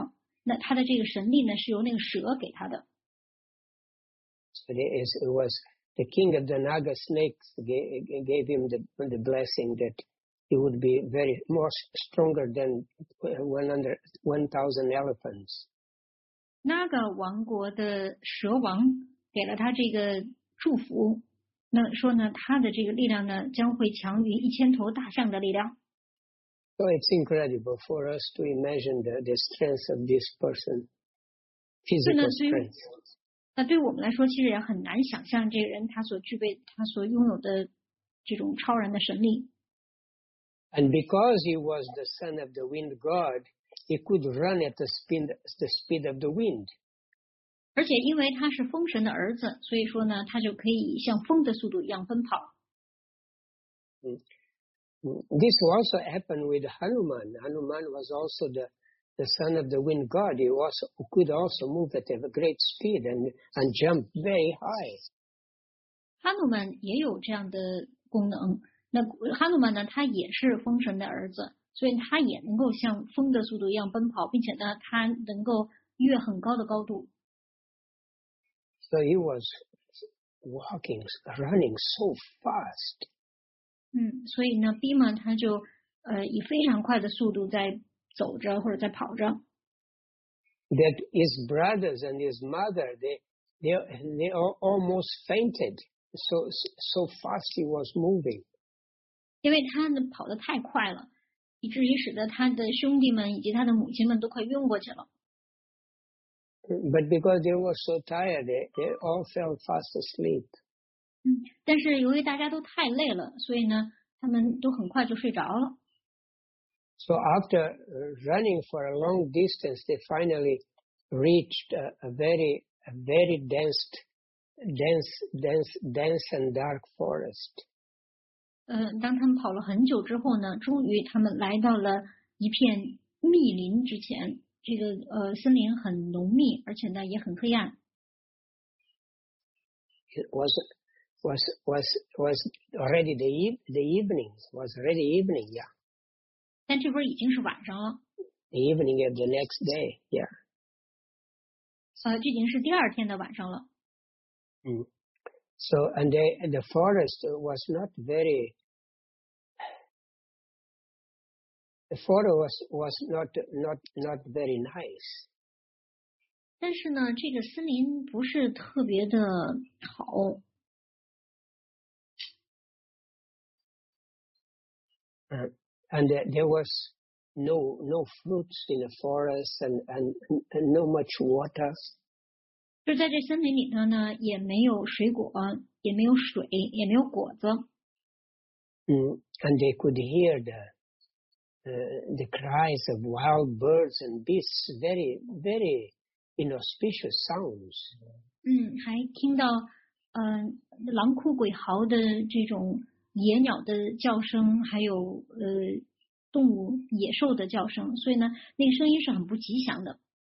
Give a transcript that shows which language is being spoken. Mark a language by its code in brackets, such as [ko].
[zh] 因为他当时被毒蛋糕毒了以后，他后来又被这个蛇咬了，那他的这个神力呢是由那个蛇给他的。 [en] So it was the king of the Naga snakes gave him the blessing that he would be very more stronger than 100,000 elephants. [zh] Naga 王国的蛇王给了他这个祝福，那说呢，他的这个力量呢将会强于一千头大象的力量。 [en] So it's incredible for us to imagine the strength of this person, physical strength. [zh] 那对我们来说，其实也很难想象这个人他所具备、他所拥有的这种超然的神力。 [en] And because he was the son of the wind god, he could run at the speed of the wind. [zh] 而且因为他是风神的儿子，所以说呢，他就可以像风的速度一样奔跑。 [en] This also happened with Hanuman. Hanuman was also the son of the wind god. He also could also move at a great speed and jump very high. [zh] Hanuman 也有这样的功能。那哈努曼呢，他也是风神的儿子，所以他也能够像风的速度一样奔跑，并且呢，他能够越很高的高度。 [en] So he was walking, running so fast. [zh] 所以呢 ，Bhima 他就以非常快的速度在走着或者在跑着。 [en] That his brothers and his mother, they almost fainted. So fast he was moving. [zh] 因为他跑得太快了，以至于使得他的兄弟们以及他的母亲们都快晕过去了。 [en] But because they were so tired, they all fell fast asleep. [zh] 但是由于大家都太累了，所以呢，他们都很快就睡着了。 [en] So after running for a long distance, they finally reached a very dense and dark forest. [zh] 当他们跑了很久之后呢，终于他们来到了一片密林之前。这个森林很浓密，而且呢也很黑暗。 [en] It was already the evening. Was already evening, yeah. [zh] 但这会儿已经是晚上了。 [en] The evening of the next day, yeah. [zh] 这已经是第二天的晚上了。 [en] So and the forest was not very. The forest was not very nice. [zh] 但是呢，这个森林不是特别的好。 [en] And there was no fruits in the forest and no much water. [zh] 就在这森林里头呢，也没有水果，也没有水，也没有果子。 [en] And they could hear the cries of wild birds and beasts, very, very inauspicious sounds. [zh] 还听到狼哭鬼嚎的这种野鸟的叫声，还有动物野兽的叫声，所以呢，那个声音是很不吉祥的。